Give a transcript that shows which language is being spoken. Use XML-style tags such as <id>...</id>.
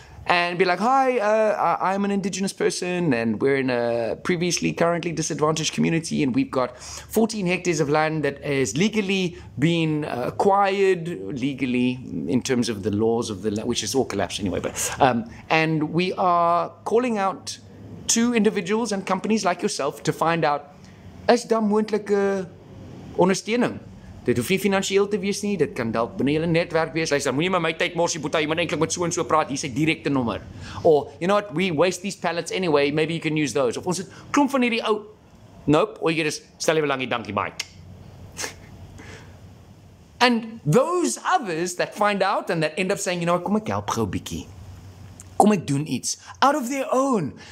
<en>And be like, hi, I'm an indigenous person and we're in a previously currently disadvantaged community and we've got 14 hectares of land that has legally been acquired, legally in terms of the laws of the land, which is all collapsed anyway. But and we are calling out to individuals and companies like yourself to find out,</en> <af>is daar moontlike ondersteuning? Dit hoef nie financieel te wees nie, dit kan dalk binne julle netwerk wees. Luister, moenie met my tyd morsie, boeta, jy moet eintlik met so en so praat, hier is sy direkte nommer.</af> <en>Or, you know what, we waste these pallets anyway, maybe you can use those.</en> <af>Of ons het klomp van hierdie ou,</af> <en>nope, or you just</en> <af>stel jy belangie, dankie,</af> <en>bye. And those others that find out and that end up saying, you know what,</en> <af>kom ek help gou bietjie. Kom ek doen iets.</af> <en>Out of their own.</en>